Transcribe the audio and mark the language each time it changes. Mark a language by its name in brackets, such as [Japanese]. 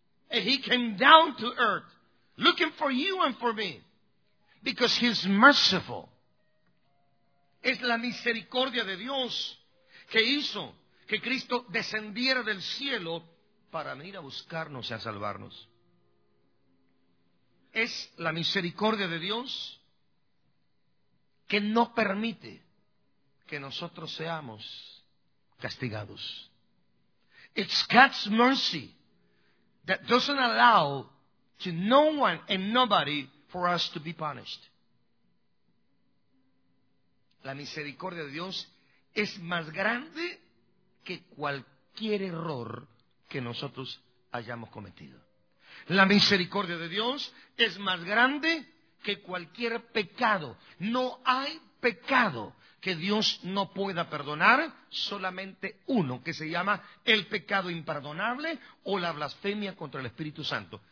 [English] And he came down to earth looking for you and for me. Because he's merciful. [Spanish] Es la misericordia de Dios que hizo que Cristo descendiera del cielo para venir a buscarnos y a salvarnos. Es la misericordia de Dios que no permite que nosotros seamos castigados. [English] It's God's mercy that doesn't allow to no one and nobody for us to be punished. [Spanish] La misericordia de Dios es más grande que cualquier error que nosotros hayamos cometido. La misericordia de Dios es más grande que cualquier pecado. No hay pecado que Dios no pueda perdonar, solamente uno, que se llama el pecado imperdonable o la blasfemia contra el Espíritu Santo.